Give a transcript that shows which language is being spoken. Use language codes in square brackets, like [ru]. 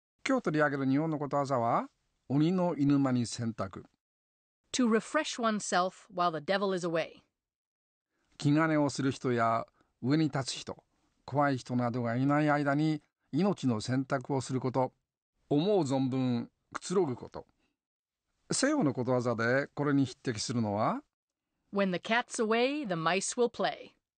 [ja] 今日取り上げる日本のことわざは鬼の犬間に洗濯。 [en] To refresh oneself while the devil is away. [ja] 気兼ねをする人や上に立つ人、怖い人などがいない間に命の洗濯をすること、思う存分くつろぐこと。西洋のことわざでこれに匹敵するのは [en] When the cat's away, the mice will play.